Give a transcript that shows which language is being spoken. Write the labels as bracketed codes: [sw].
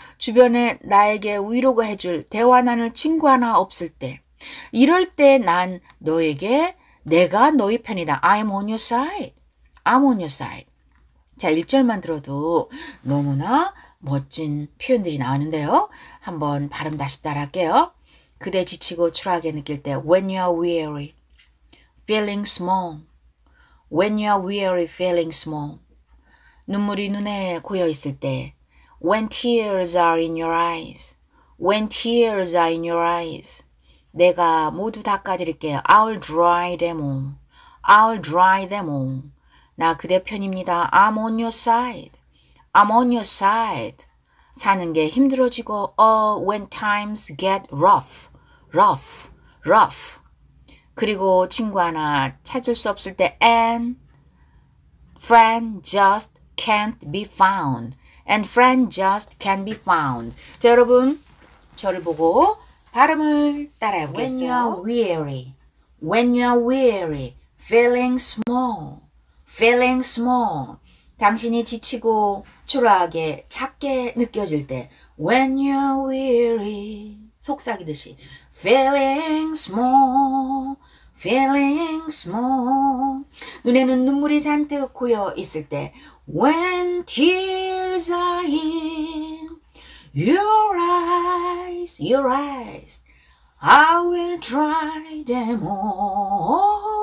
[ko] 주변에 나에게 위로가 해줄 대화 나눌 친구 하나 없을 때 이럴 때 난 너에게 내가 너의 편이다. [en] I'm on your side. I'm on your side. [ko] 자, 1절만 들어도 너무나 멋진 표현들이 나왔는데요. 한번 발음 다시 따라할게요. 그대 지치고 초라하게 느낄 때 [en] When you are weary, feeling small. When you are weary, feeling small. [ko] 눈물이 눈에 고여 있을 때 [en] When tears are in your eyes. When tears are in your eyes. [ko] 내가 모두 닦아드릴게요. [en] I'll dry them all. I'll dry them all. 나 그대 편입니다. I'm on your side. I'm on your side. [ko] 사는 게 힘들어지고 [en] Oh, when times get rough. Rough. Rough. [ko] 그리고 친구 하나 찾을 수 없을 때 [en] and friend just can't be found. And friend just can't be found. [ko] 자, 여러분 저를 보고 발음을 따라해 보겠어요. [en] When you're weary, when you're weary, feeling small, feeling small. [ko] 당신이 지치고 초라하게 작게 느껴질 때 [en] when you're weary, [ko] 속삭이듯이 [en] feeling small. Feeling small. [ko] 눈에는 눈물이 잔뜩 고여 있을 때 [en] When tears are in your eyes, your eyes I will dry them all.